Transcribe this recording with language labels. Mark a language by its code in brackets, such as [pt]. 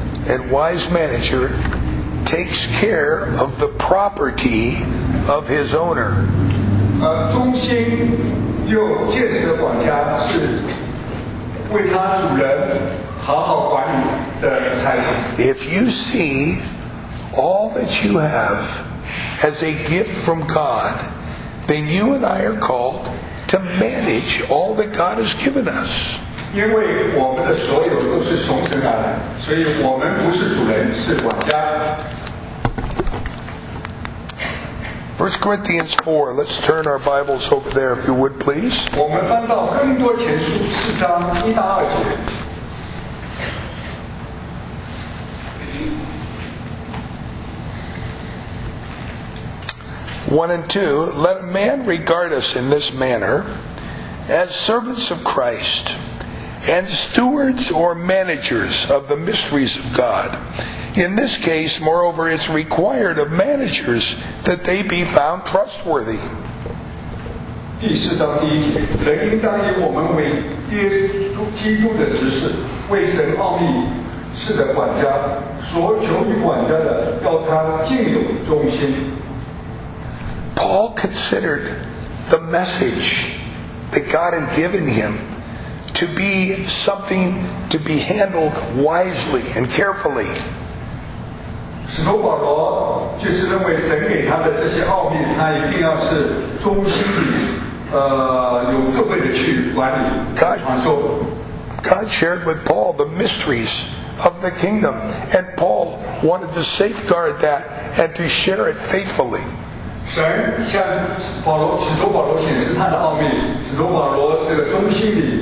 [en] And wise manager takes care of the property of his owner. [zh] 忠心又戒实的管家是为他主人好好管理的财产。 [en] If you see all that you have as a gift from God, then you and I are called to manage all that God has given us. [zh] 因为我们的所有都是从神而来，所以我们不是主人，是管家。 [en] First Corinthians 4, let's turn our Bibles over there if you would please. [zh] 我们翻到哥林多前书四章一到二节。 [en] 1 and 2, let a man regard us in this manner as servants of Christ. And stewards or managers of the mysteries of God. In this case, moreover, it's required of managers that they be found trustworthy. [zh] 第四章第一节，人应当以我们为耶稣基督的执事，为神奥秘事的管家，所求于管家的，要他尽有忠心。 [en] Paul considered the message that God had given him. To be something to be handled wisely and carefully. [zh] 使徒保罗就是认为神给他的这些奥秘，他一定要是忠心的，有智慧的去管理。 [en] God shared with Paul the mysteries of the kingdom, and Paul wanted to safeguard that and to share it faithfully. [zh] 神向保罗使徒保罗显示他的奥秘，使徒保罗这个忠心的。